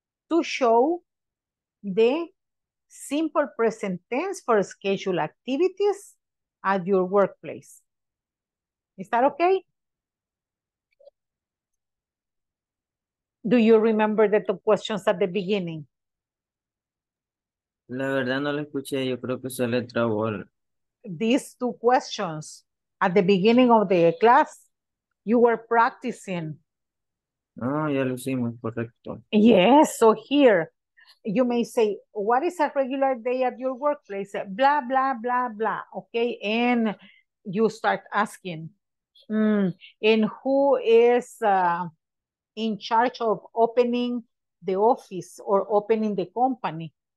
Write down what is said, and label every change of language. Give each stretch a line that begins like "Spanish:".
English: To show the simple present tense for schedule activities at your workplace. Is that okay? Do you remember the two questions at the beginning?
Spanish: La verdad no lo escuché, yo creo que se le trabó.
English: These two questions at the beginning of the class, you were practicing.
Spanish: Oh, ya lo hicimos, correcto.
English: Yes, so here you may say, what is a regular day at your workplace? Blah, blah, blah, blah. Okay, and you start asking, and who is in charge of opening the office or opening the company?